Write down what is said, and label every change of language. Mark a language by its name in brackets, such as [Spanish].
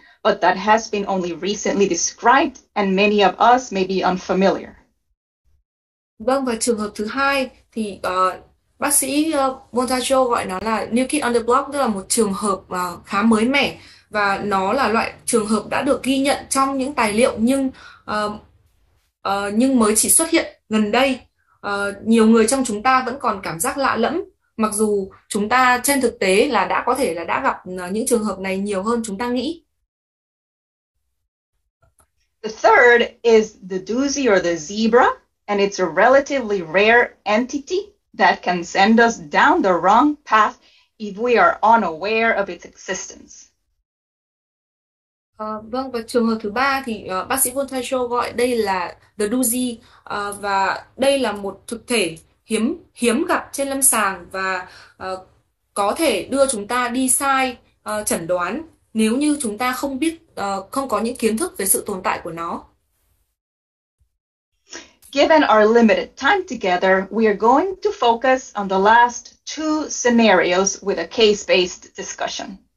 [English] but that has been only recently described, and many of us may be unfamiliar. [Vietnamese] Vâng, và trường hợp thứ hai thì bác sĩ Montaggio gọi nó là [English] new kid on the block, [Vietnamese] tức là một trường hợp khá mới mẻ, và nó là loại trường hợp đã được ghi nhận trong những tài liệu nhưng mới chỉ xuất hiện gần đây. Nhiều người trong chúng ta vẫn còn cảm giác lạ lẫm, mặc dù chúng ta trên thực tế là đã có thể là đã gặp những trường hợp này nhiều hơn chúng ta nghĩ. [English] The third is the doozy or the zebra, and it's a relatively rare entity that can send us down the wrong path if we are unaware of its existence. [Vietnamese] Vâng, và trường hợp thứ ba thì bác sĩ Voltaire gọi đây là the doozy, và đây là một thực thể hiếm hiếm gặp trên lâm sàng và có thể đưa chúng ta đi sai chẩn đoán nếu như chúng ta không biết không có những kiến thức về sự tồn tại của nó. [English] Given our limited time together, we are going to focus on the last two scenarios with a case-based discussion.